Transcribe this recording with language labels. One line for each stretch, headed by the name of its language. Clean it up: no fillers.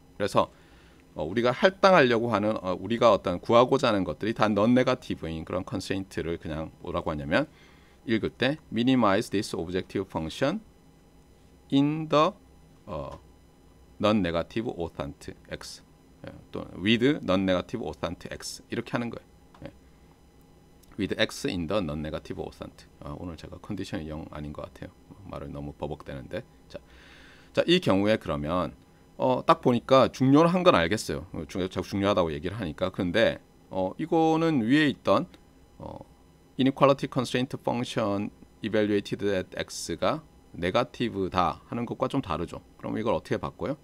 Korean: 그래서 우리가 할당하려고 하는 우리가 어떤 구하고자 하는 것들이 다 넌 네가티브인 그런 컨스트레인트를 그냥 뭐라고 하냐면 읽을 때
English: minimize this objective function in the non-negative authant
Korean: x 또
English: with non-negative authant x
Korean: 이렇게 하는 거예요.
English: with x in the non-negative authant.
Korean: 오늘 제가 컨디션이 0 아닌 것 같아요. 말을 너무 버벅대는데 자, 이 경우에 그러면 딱 보니까 중요한 건 알겠어요. 중요하다고 얘기를 하니까. 그런데 이거는 위에 있던 inequality constraint function evaluated at x가 네가티브다 하는 것과 좀 다르죠. 그럼 이걸 어떻게 바꿔요?